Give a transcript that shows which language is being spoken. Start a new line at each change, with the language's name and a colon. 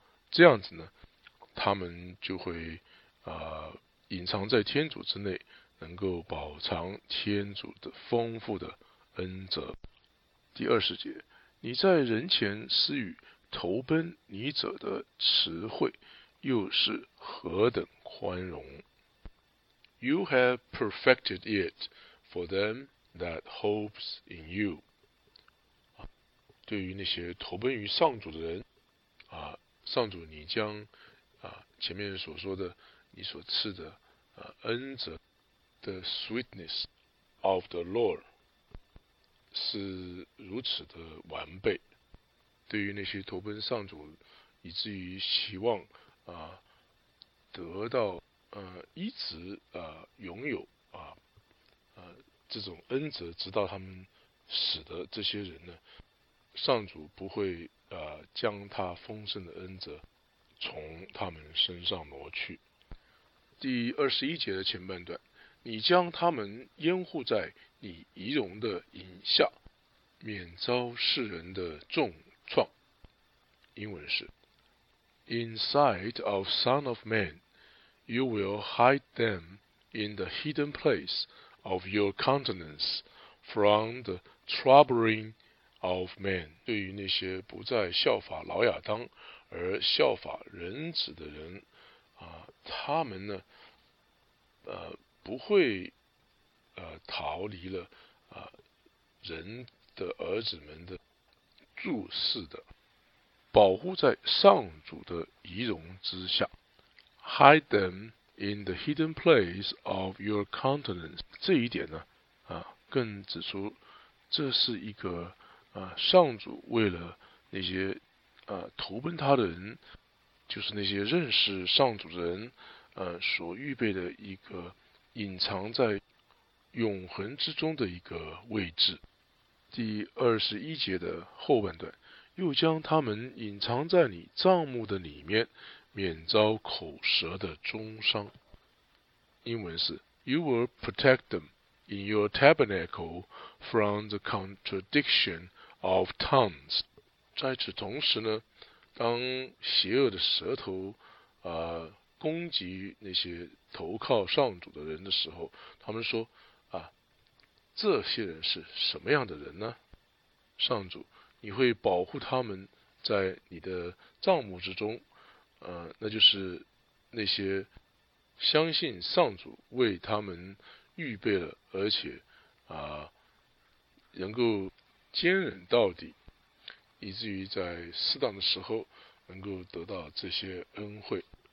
Chinese: 这样子呢，他们就会隐藏在天主之内，能够饱尝天主的丰富的恩泽。第二十节，你在人前施予投奔你者的慈惠，又是何等宽容。
English: You have perfected it for them that hopes in you.
Chinese: 对于那些投奔于上主的人上主你将前面所说的你所赐的恩泽
English: The sweetness of the Lord
Chinese: 是如此的完备，对于那些投奔上主以至于希望得到一直拥有这种恩泽直到他们死的这些人呢，上主不会将他丰盛的恩泽从他们身上挪去。第二十一节的前半段，你将他们掩护在你仪容的影下，免遭世人的重创。英文是
English: In sight of Son of Man, you will hide them in the hidden place of your countenance from the troubling of man.
Chinese: 对于那些不再效法老亚当而效法人子的人他们呢不会逃离了人的儿子们的注视的，保护在上主的仪容之下。
English: Hide them in the hidden place of your countenance.
Chinese: 这一点呢更指出这是一个上主为了那些投奔他的人，就是那些认识上主的人所预备的一个隐藏在永恒之中的一个位置。第二十一节的后半段，又将他们隐藏在你帐幕的里面，免遭口舌的中伤。英文是
English: You will protect them in your tabernacle from the contradiction of tongues.
Chinese: 在此同时呢，当邪恶的舌头攻击那些投靠上主的人的时候，他们说这些人是什么样的人呢？上主，你会保护他们在你的帐幕之中，那就是那些相信上主为他们预备了，而且能够坚忍到底，以至于在适当的时候能够得到这些恩惠。